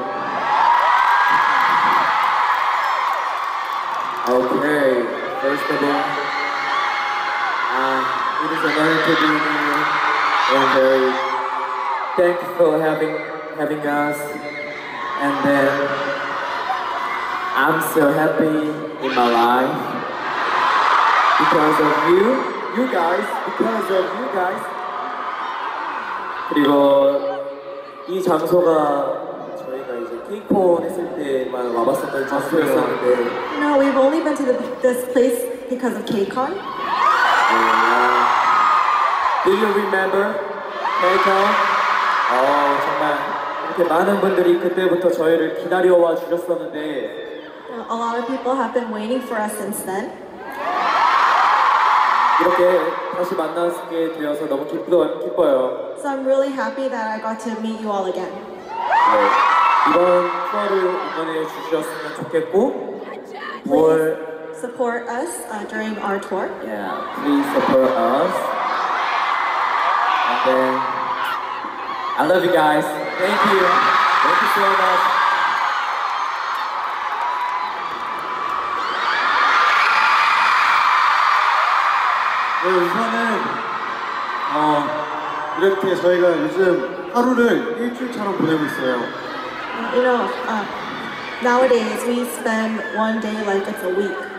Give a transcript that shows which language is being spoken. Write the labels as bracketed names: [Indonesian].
[English] Okay, first of all, it is an honor to be here, and thank you for having us, and then I'm so happy in my life, because of you guys. [Korean] 그리고 이 장소가 K-POP 했을 때만 와봤었던 장소였었는데 [English] No, we've only been to this place because of K-CON. Do you remember K-CON? [Korean] 정말 이렇게 많은 분들이 그때부터 저희를 기다려와 주셨었는데 [English] A lot of people have been waiting for us since then. [Korean] 이렇게 다시 만나게 되어서 너무 기뻐요. [English] So I'm really happy that I got to meet you all again. [Korean] 이번 투어를 응원해 주셨으면 좋겠고 [English] 뭘 support us during our tour. Yeah, please support us. And then I love you guys. Thank you. Thank you so much. [Korean] 네, 우선은 이렇게 저희가 요즘 하루를 일주일처럼 보내고 있어요. [English] You know, nowadays we spend one day like it's a week.